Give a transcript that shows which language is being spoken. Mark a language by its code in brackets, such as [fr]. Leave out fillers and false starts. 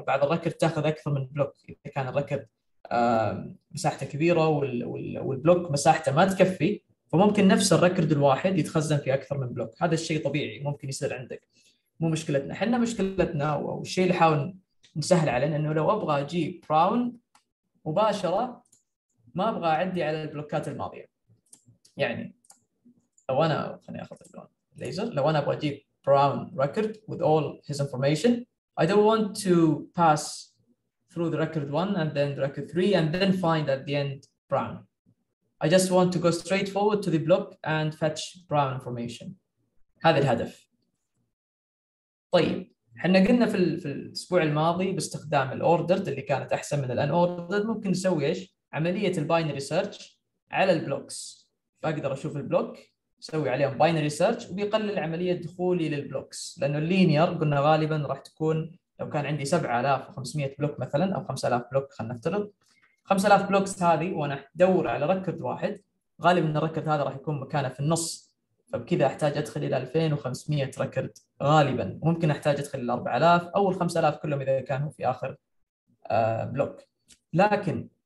[ar] بعد الريكورد تاخذ اكثر من بلوك اذا كان الريكورد مساحته كبيره والبلوك مساحته ما تكفي، فممكن نفس الريكورد الواحد يتخزن في اكثر من بلوك. هذا الشيء طبيعي ممكن يصير عندك، مو مشكلتنا. احنا مشكلتنا والشيء اللي حاول نسهل علينا انه لو ابغى اجيب براون مباشره ما ابغى اعدي على البلوكات الماضيه. يعني لو انا خليني اخذ اللون ليزر، لو انا ابغى اجيب براون ريكورد [en] with all his information I don't want to pass through the record 1 and then the record 3 and then find at the end Brown. I just want to go straight forward to the block and fetch Brown information. [ar] هذا الهدف. طيب احنا قلنا في الاسبوع الماضي باستخدام الاوردرد اللي كانت احسن من الان اوردرد ممكن نسوي ايش؟ عمليه الباينري سيرش على البلوكس. فاقدر اشوف البلوك اسوي عليهم باينري سيرش وبيقلل عمليه دخولي للبلوكس، لانه اللينير قلنا غالبا راح تكون لو كان عندي 7500 بلوك مثلا او 5000 بلوك، خلينا نفترض 5000 بلوكس هذه وانا ادور على ركرد واحد، غالبا الركرد هذا راح يكون مكانه في النص، فبكذا احتاج ادخل الى 2500 ريكورد غالبا، ممكن احتاج ادخل الى 4000 او ال 5000 كلهم اذا كانوا في اخر بلوك. لكن